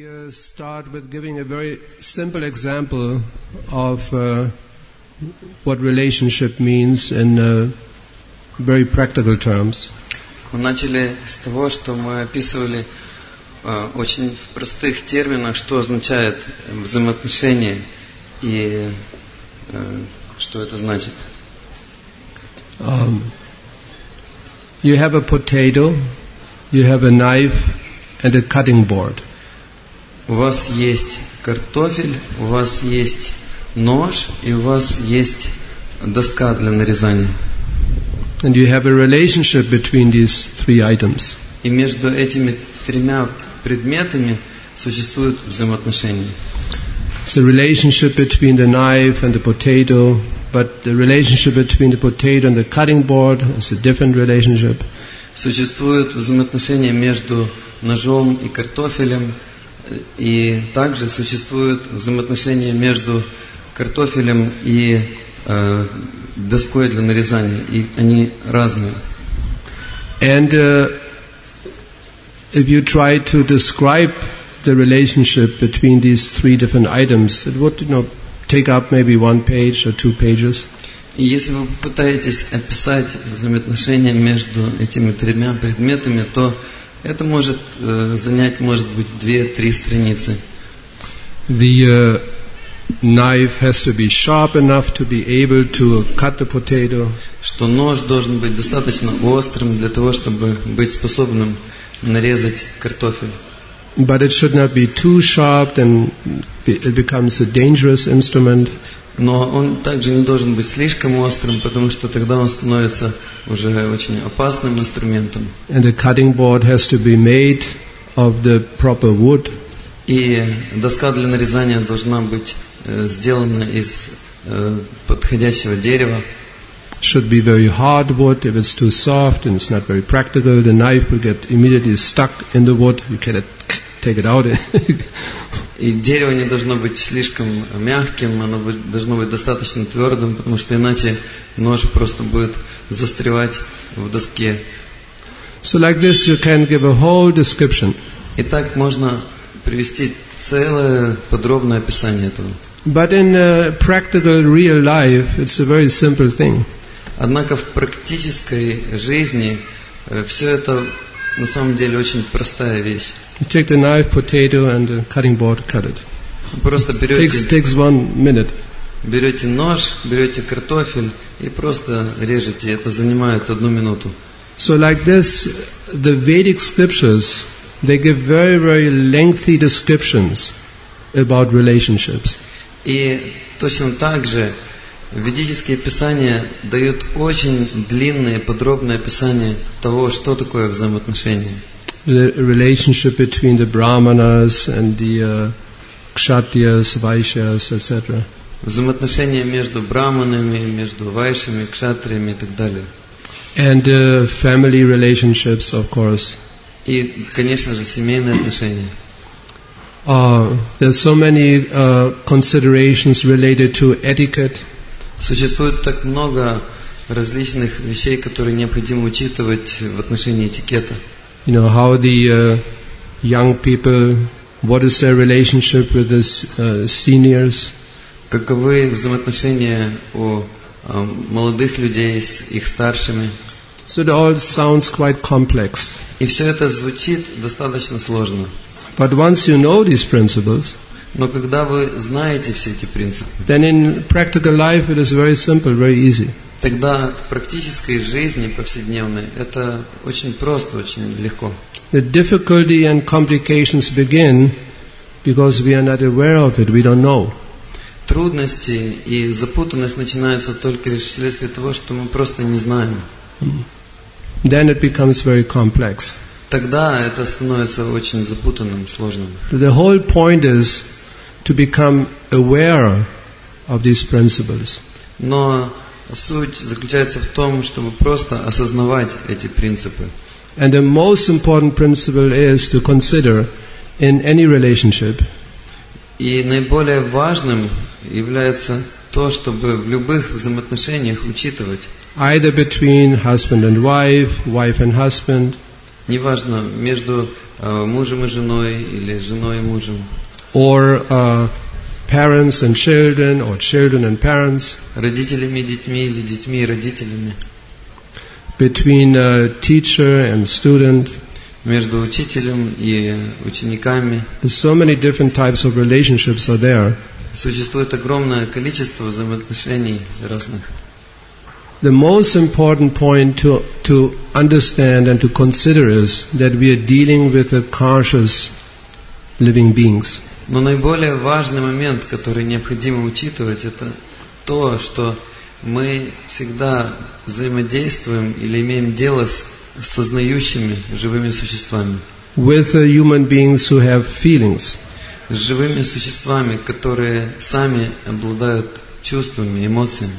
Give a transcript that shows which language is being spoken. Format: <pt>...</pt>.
<en>start with giving a very simple example of what relationship means in very practical terms.</en> <ru>Мы начали с того, что мы описывали очень в простых терминах, что означает взаимоотношения и что это значит.</ru> <en>You have a potato, you have a knife and a cutting board.</en> <ru>У вас есть картофель, у вас есть нож и у вас есть доска для нарезания.</ru> <en>And you have a relationship between these three items.</en> <ru>И между этими тремя предметами существуют взаимоотношения.</ru> <en>It's a relationship between the knife and the potato, but the relationship between the potato and the cutting board is a different relationship.</en> <ru>Существуют взаимоотношения между ножом и картофелем, и также существуют взаимоотношения между картофелем и доской для нарезания, и они разные.</ru> <en>And if you try to describe the relationship between these three different items, it would, you know, take up maybe one page or two pages.</en> <ru>И если вы пытаетесь описать взаимоотношения между этими тремя предметами, то это может занять, может быть, 2-3 страницы.</ru> <en>The knife has to be sharp enough to be able to cut the potato.</en> <ru>Что нож должен быть достаточно острым для того, чтобы быть способным нарезать картофель.</ru> <en>But it should not be too sharp, then it becomes a dangerous instrument.</en> <ru>Но он также не должен быть слишком острым, потому что тогда он становится уже очень опасным инструментом.</ru> <en>And the cutting board has to be made of the proper wood.</en> <ru>И доска для нарезания должна быть сделана из подходящего дерева.</ru> <en>Should be very hard wood. If it's too soft and it's not very practical, the knife will get immediately stuck in the wood. You cannot take it out.</en> <ru>И дерево не должно быть слишком мягким, оно должно быть достаточно твердым, потому что иначе нож просто будет застревать в доске.</ru> <en>So like this, you can give a whole description.</en> <ru>Итак, можно привести целое подробное описание этого.</ru> <en>But in practical, real life, it's a very simple thing.</en> <ru>Однако в практической жизни все это на самом деле очень простая вещь.</ru> <en>Take the knife, potato, and the cutting board, cut it.</en> <ru>Просто берете,</ru> <en>takes 1 minute.</en> <ru>Берете нож, берете картофель и просто режете. Это занимает 1 минуту.</ru> <en>So like this, the Vedic scriptures, they give very, very lengthy descriptions about relationships.</en> <ru>И точно так же ведические писания дают очень длинное и подробное описание того, что такое взаимоотношения.</ru> <en>The relationship between the brahmanas and the kshatriyas, vaishyas, etc.</en> <ru>Взаимоотношения между брахманами, между вайшами, кшатриями и так далее.</ru> <en>And family relationships, of course.</en> <ru>И, конечно же, семейные отношения.</ru> <en>There are so many considerations related to etiquette.</en> <ru>Существует так много различных вещей, которые необходимо учитывать в отношении этикета.</ru> <en>You know, how the young people, what is their relationship with the seniors?</en> <ru>Каковы взаимоотношения у молодых людей с их старшими?</ru> <en>So it all sounds quite complex.</en> <ru>И все это звучит достаточно сложно.</ru> <en>But once you know these principles,</en> <ru>но когда вы знаете все эти принципы,</ru> <en>then in practical life it is very simple, very easy.</en> <ru>Тогда в практической жизни повседневной это очень просто, очень легко.</ru> <en>The difficulty and complications begin because we are not aware of it, we don't know.</en> <ru>Трудности и запутанность начинаются только лишь вследствие того, что мы просто не знаем.</ru> <en>Then it becomes very complex.</en> <ru>Тогда это становится очень запутанным, сложным.</ru> <en>The whole point is to become aware of these principles.</en> <ru>Но суть заключается в том, чтобы просто осознавать эти принципы.</ru> <en>And the most important principle is to consider in any relationship.</en> <ru>И наиболее важным является то, чтобы в любых взаимоотношениях учитывать.</ru> <en>Either between husband and wife, wife and husband.</en> <ru>Неважно, между мужем и женой или женой и мужем.</ru> <en>Or parents and children, or children and parents.</en> <ru>Родителями и детьми или детьми и родителями.</ru> <en>Between a teacher and student.</en> <ru>Между учителем и учениками.</ru> <en>There's so many different types of relationships are there.</en> <ru>Существует огромное количество взаимоотношений разных.</ru> <en>The most important point to understand and to consider is that we are dealing with a conscious living beings.</en> <ru>Но наиболее важный момент, который необходимо учитывать, это то, что мы всегда взаимодействуем или имеем дело с сознающими живыми существами.</ru> <en>With human beings who have feelings.</en> <ru>С живыми существами, которые сами обладают чувствами, эмоциями.</ru>